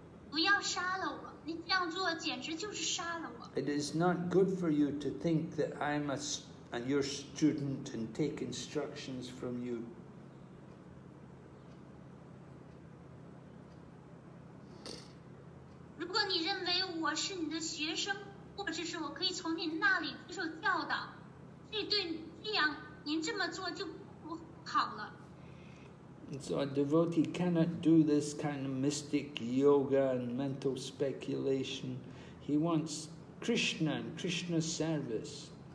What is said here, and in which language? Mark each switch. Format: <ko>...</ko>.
<zh>不要杀了我，你这样做简直就是杀了我。</zh> <en>It is not good for you to think that I'm your student and take instructions from you.</en> <zh>如果你认为我是你的学生，或者是我可以从你那里接受教导，这对这样您这么做就不好了。</zh> <en>So a devotee cannot do this kind of mystic yoga and mental speculation. He wants Krishna and Krishna's service.</en>